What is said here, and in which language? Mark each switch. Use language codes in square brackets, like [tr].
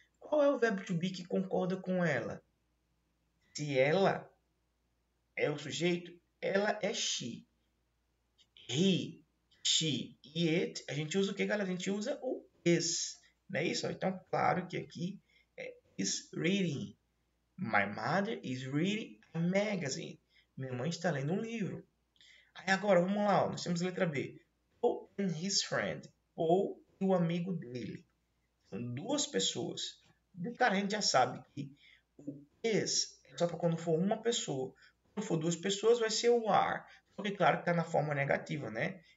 [pt] Qual é o verbo to be que concorda com ela? Se ela é o sujeito, ela é she. [en] He, she, it. [pt] A gente usa o que, galera? A gente usa o is. Não é isso? Então, claro que aqui é [en] is reading. My mother is reading a magazine. [pt] Minha mãe está lendo um livro. Aí agora, vamos lá. Ó. Nós temos a letra B. [en] Paul and his friend. [pt] Paul e o amigo dele. São duas pessoas. De cara, a gente já sabe que o is é só para quando for uma pessoa. Quando for duas pessoas, vai ser o are. Porque, claro, está na forma negativa, né?